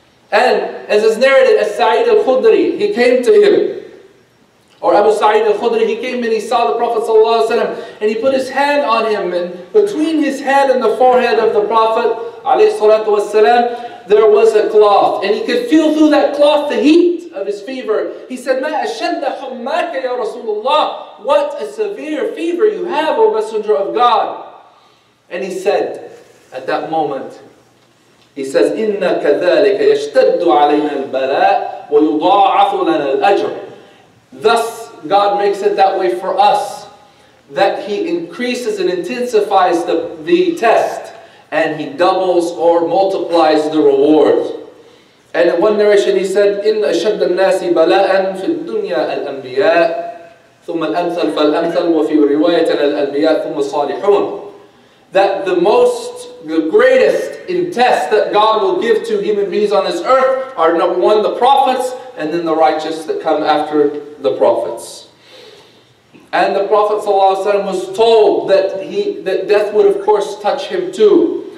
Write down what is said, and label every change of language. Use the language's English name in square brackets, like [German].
[English] And as is narrated, as Sa'id al-Khudri, he came to him. Or Abu Sa'id al-Khudri, he came and he saw the Prophet sallallahu alayhi wa sallam, and he put his hand on him, and between his hand and the forehead of the Prophet alayhi salatu wasalam, there was a cloth. And he could feel through that cloth the heat of his fever. He said, [Arabic] مَا أَشَدَّ حُمَّاكَ يَا رَسُولُ اللَّهِ. [English] What a severe fever you have, O Messenger of God. And he said, at that moment, he says, [Arabic] إِنَّ كَذَلِكَ يَشْتَدُّ عَلَيْنَا الْبَلَاءِ وَيُضَاعَفُ لَنَا الْأَجْرِ. [English] Thus, God makes it that way for us, that He increases and intensifies the test, and He doubles or multiplies the reward. And in one narration he said, [Arabic] إِنَّ أَشَدَّ النَّاسِ بَلَاءً فِي الدُّنْيَا الْأَنْبِيَاءِ ثُمَّ الْأَمْثَلْ فَالْأَمْثَلْ وَفِي رِوَايَةَ الْأَنْبِيَاءِ ثُمَّ الصَّالِحُونَ. [English] That the greatest in tests that God will give to human beings on this earth are number one, the prophets, and then the righteous that come after the prophets. And the Prophet ﷺ was told that death would of course touch him too.